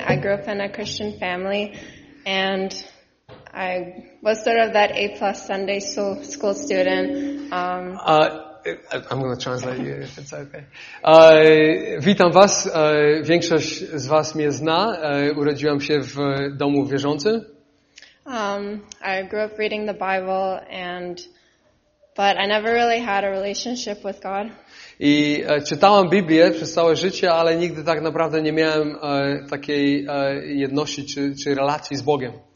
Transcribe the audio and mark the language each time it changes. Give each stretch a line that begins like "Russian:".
English: I grew up in a Christian family, and I was sort of that A-plus Sunday school student. I'm going to translate you, if it's okay.
Polish: Witam was. Większość z was mnie zna. Urodziłam się w domu wierzącym.
English: I grew up reading the Bible, but I never really had a relationship with God.
Polish: I czytałam Biblię przez całe życie, ale nigdy tak naprawdę nie miałem takiej jedności czy relacji z Bogiem.